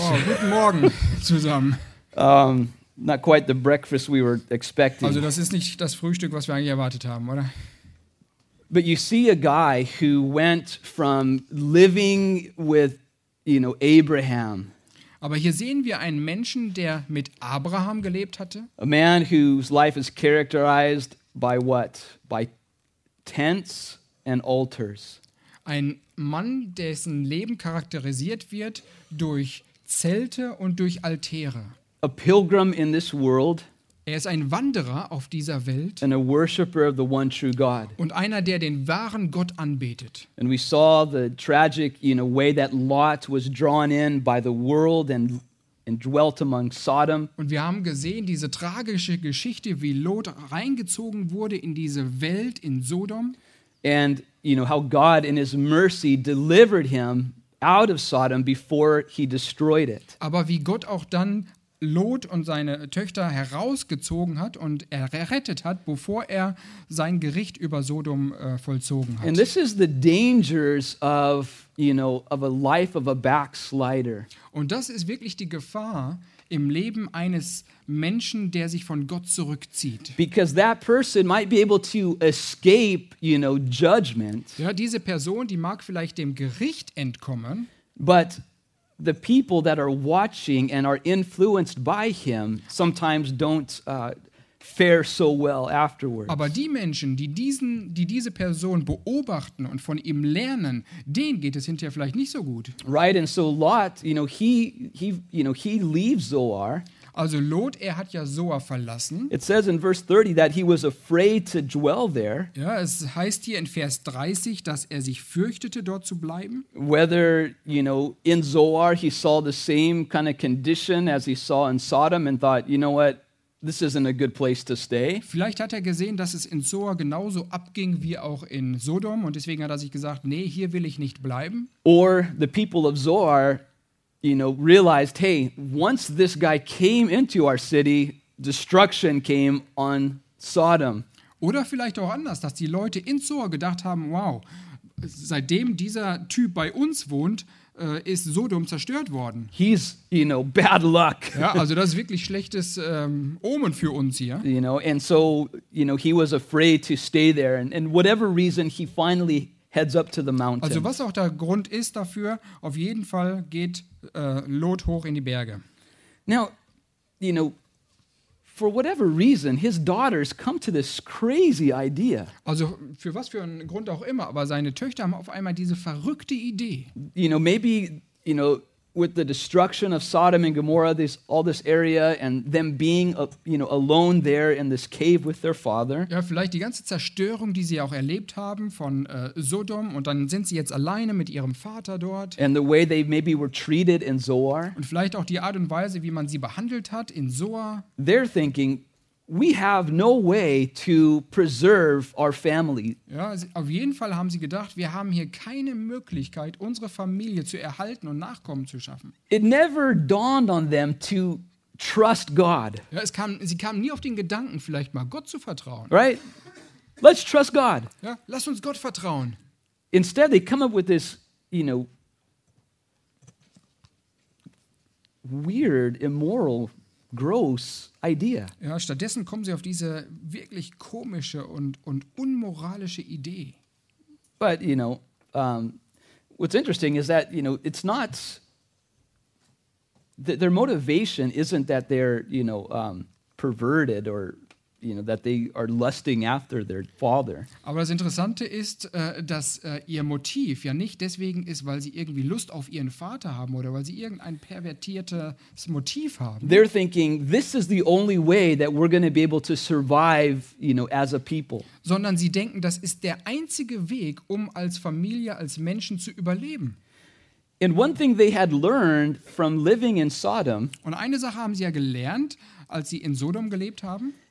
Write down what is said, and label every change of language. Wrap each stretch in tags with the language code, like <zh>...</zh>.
<de>Wow, guten Morgen zusammen.</de> <en>Not quite the breakfast we were expecting.</en> <de>Also das ist nicht das Frühstück, was wir eigentlich erwartet haben, oder?</de> <en>But you see a guy who went from living with, you know, Abraham.</en> <de>Aber hier sehen wir einen Menschen, der mit Abraham gelebt hatte.</de> <en>A man whose life is characterized by what? By tents and altars.</en> <de>Ein Mann, dessen Leben charakterisiert wird durch Zelte und durch Altäre.</de> <en>A pilgrim in this world.</en> <de>Er ist ein Wanderer auf dieser Welt.</de> <en>And a worshipper of the one true God.</en> <de>Und einer, der den wahren Gott anbetet.</de> <en>And we saw the tragic, you know, way that Lot was drawn in by the world and dwelt among Sodom.</en> <de>Und wir haben gesehen diese tragische Geschichte, wie Lot reingezogen wurde in diese Welt in Sodom.</de> <en>And you know how God in his mercy delivered him out of Sodom before he destroyed it.</en> <de>Aber wie Gott auch dann Lot und seine Töchter herausgezogen hat und errettet hat, bevor er sein Gericht über Sodom vollzogen hat.</de> <en>And this is the dangers of, you know, of a life of a backslider.</en> <de>Und das ist wirklich die Gefahr im Leben eines Menschen, der sich von Gott zurückzieht.</de> <en>Because that person might be able to escape, you know, judgment.</en> <de>Ja, diese Person, die mag vielleicht dem Gericht entkommen,</de> <en>but the people that are watching and are influenced by him sometimes don't fare so well afterwards.</en> <de>Aber die Menschen, die diese Person beobachten und von ihm lernen, denen geht es hinterher vielleicht nicht so gut.</de> <en>Right, and so Lot, you know, he leaves Zoar.</en> <de>Also Lot, er hat ja Zoar verlassen.</de> <en>It says in verse 30 that he was afraid to dwell there.</en> <de>Ja, es heißt hier in Vers 30, dass er sich fürchtete, dort zu bleiben.</de> <en>Whether, you know, in Zoar he saw the same kind of condition as he saw in Sodom and thought, you know what, this isn't a good place to stay.</en> <de>Vielleicht hat er gesehen, dass es in Zoar genauso abging wie auch in Sodom und deswegen hat er sich gesagt, nee, hier will ich nicht bleiben.</de> <en>Or the people of Zoar, you know, realized, hey, once this guy came into our city, destruction came on Sodom.</en> <de>Oder vielleicht auch anders, dass die Leute in Zoar gedacht haben, wow, seitdem dieser Typ bei uns wohnt, ist Sodom zerstört worden.</de> <en>He's, you know, bad luck.</en> <de>Ja, also das ist wirklich schlechtes Omen für uns hier.</de> <en>You know, and so, you know, he was afraid to stay there. And whatever reason, he finally heads up to the mountain.</en> <de>Also was auch der Grund ist dafür, auf jeden Fall geht Lot hoch in die Berge.</de> <en>Now, you know, for whatever reason, his daughters come to this crazy idea.</en> <de>Also für was für einen Grund auch immer, aber seine Töchter haben auf einmal diese verrückte Idee.</de> <en>You know, maybe, you know, with the destruction of Sodom and Gomorrah, all this area and them being, you know, alone there in this cave with their father.</en> <de>Ja, vielleicht die ganze Zerstörung, die sie auch erlebt haben von Sodom und dann sind sie jetzt alleine mit ihrem Vater dort.</de> <en>And the way they maybe were treated in Zoar.</en> <de>Und vielleicht auch die Art und Weise, wie man sie behandelt hat in Zoar.</de> <en>They're thinking, we have no way to preserve our family.</en> <de>Ja, auf jeden Fall haben sie gedacht, wir haben hier keine Möglichkeit, unsere Familie zu erhalten und Nachkommen zu schaffen.</de> <en>It never dawned on them to trust God.</en> <de>Ja, sie kamen nie auf den Gedanken, vielleicht mal Gott zu vertrauen.</de> <en>Right? Let's trust God.</en> <de>Ja, lass uns Gott vertrauen.</de> <en>Instead, they come up with this, you know, weird, immoral, gross idea.</en> <de>Ja, stattdessen kommen sie auf diese wirklich komische und unmoralische Idee.</de> <en>But you know, what's interesting is that, you know, it's not their motivation isn't that they're, you know, perverted or, you know, that they are lusting after their father.</en> <de>Aber das Interessante ist, dass ihr Motiv ja nicht deswegen ist, weil sie irgendwie Lust auf ihren Vater haben oder weil sie irgendein pervertiertes Motiv haben.</de> <en>They're thinking, this is the only way that we're going to be able to survive, you know, as a people.</en> <de>Sondern sie denken, das ist der einzige Weg, um als Familie, als Menschen zu überleben.</de> <en>And one thing they had learned from living in Sodom.</en> <de>Und eine Sache haben sie ja gelernt, als sie in Sodom gelebt haben.</de>